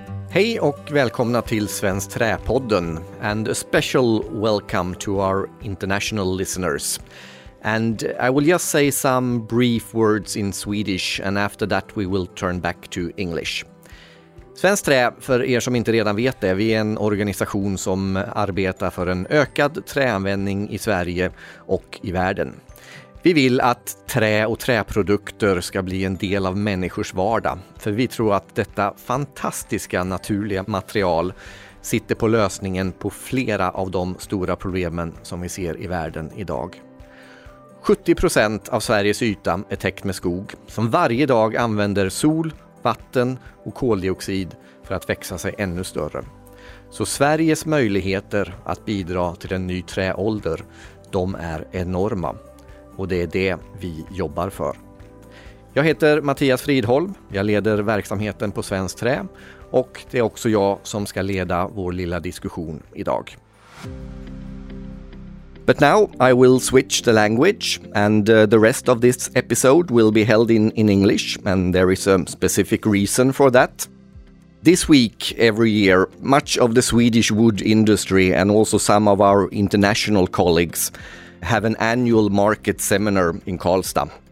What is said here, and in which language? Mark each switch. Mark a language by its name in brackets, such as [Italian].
[Swedish] Hej och välkomna till Svensk Träpodden. [English] And a special welcome to our international listeners. And I will just say some brief words in Swedish and after that we will turn back to English. [Swedish] Svenskt Trä, för er som inte redan vet det, vi är en organisation som arbetar för en ökad träanvändning i Sverige och i världen. Vi vill att trä och träprodukter ska bli en del av människors vardag, för vi tror att detta fantastiska naturliga material sitter på lösningen på flera av de stora problemen som vi ser i världen idag. 70% av Sveriges yta är täckt med skog som varje dag använder sol, vatten och koldioxid för att växa sig ännu större. Så Sveriges möjligheter att bidra till en ny träålder, de är enorma. Och det är det vi jobbar för. Jag heter Mattias Fridholm. Jag leder verksamheten på Svenskt Trä. Och det är också jag som ska leda vår lilla diskussion idag. [English] But now I will switch the language and the rest of this episode will be held in English and there is a specific reason for that. This week, every year, much of the Swedish wood industry and also some of our international colleagues have an annual market seminar in Karlstad.